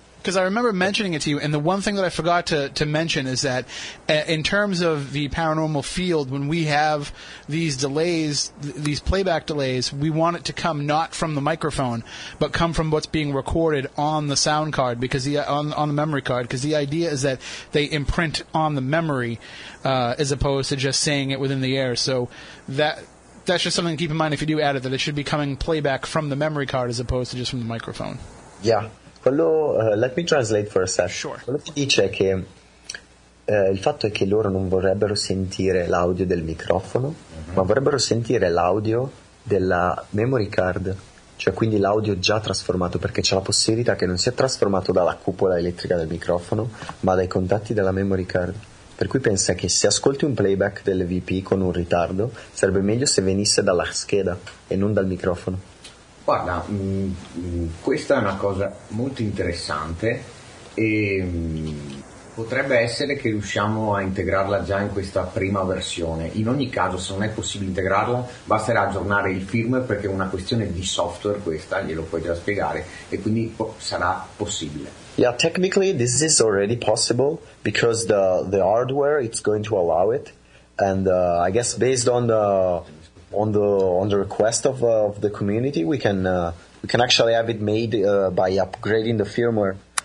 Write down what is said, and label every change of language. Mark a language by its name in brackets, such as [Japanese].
[English] Because I remember mentioning it to you, and the one thing that I forgot to mention is that in terms of the paranormal field, when we have these delays, these playback delays, we want it to come not from the microphone, but come from what's being recorded on the sound card, because on the memory card, because the idea is that they imprint on the memory as opposed to just saying it within the air. So that's just something to keep in mind if you do add it, that it should be coming playback from the memory card as opposed to just from the microphone. Yeah. Quello, let me translate for a sec. Sure. [Italian] Quello che dice è che il fatto è che loro non vorrebbero sentire l'audio del microfono, ma vorrebbero sentire l'audio della memory card, cioè quindi l'audio già trasformato, perché c'è la possibilità che non sia trasformato dalla cupola elettrica del microfono, ma dai contatti della memory card. Per cui pensa che se ascolti un playback dell'EVP con un ritardo, sarebbe meglio se venisse dalla scheda e non dal microfono. Guarda, questa è una cosa molto interessante e potrebbe essere che riusciamo a integrarla già in questa prima versione. In ogni caso, se non è possibile integrarla, basterà aggiornare il firmware, perché è una questione di software questa, glielo puoi già spiegare, e quindi sarà possibile. [English] Yeah, technically this is already possible, because the hardware it's going to allow it, and I guess based on the... On the request of the community, we can actually have it made by upgrading the firmware.